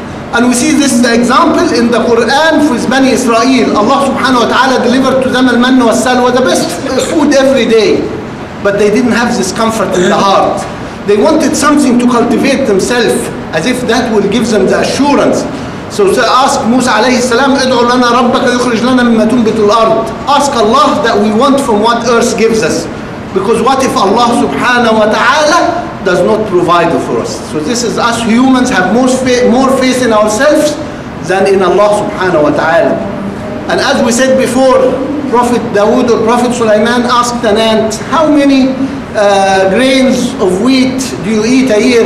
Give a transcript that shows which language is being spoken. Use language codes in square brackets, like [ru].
[en] And we see this example in the Quran with Bani Israel. Allah subhanahu wa ta'ala delivered to them al-manna wa salwa, the best food every day. But they didn't have this comfort in the heart. They wanted something to cultivate themselves, as if that will give them the assurance. So ask Musa alayhi salam, [ar] ادعو لنا ربك يخرج لنا مما تنبت الأرض. [en] Ask Allah that we want from what earth gives us. Because what if Allah subhanahu wa ta'ala does not provide for us? So this is us humans have more faith in ourselves than in Allah subhanahu wa ta'ala. And as we said before, Prophet Dawood or Prophet Sulaiman asked an ant, how many grains of wheat do you eat a year?